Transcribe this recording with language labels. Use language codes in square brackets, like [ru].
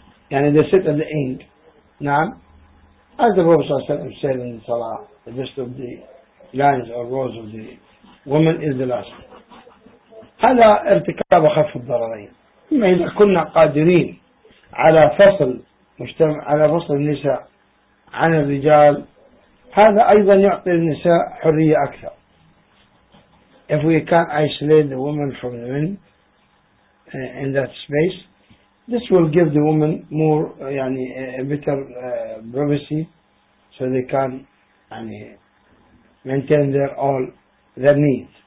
[ar] يعني [en] they sit at the end. [ar] نعم. [en] As the Prophet [ar] صلى الله عليه وسلم [en] said in the Salah, the best of the lines or rows of the woman is the last. [ar] هذا ارتكاب خف الضررين. أما إذا كنا قادرين على فصل مجتمع على فصل النساء عن الرجال, هذا أيضا يعطي النساء حرية أكثر. [en] If we can isolate the women from the men in that space, this will give the women more, [ar] يعني [en] a better privacy, so they can, [ar] يعني [en] maintain their all their needs.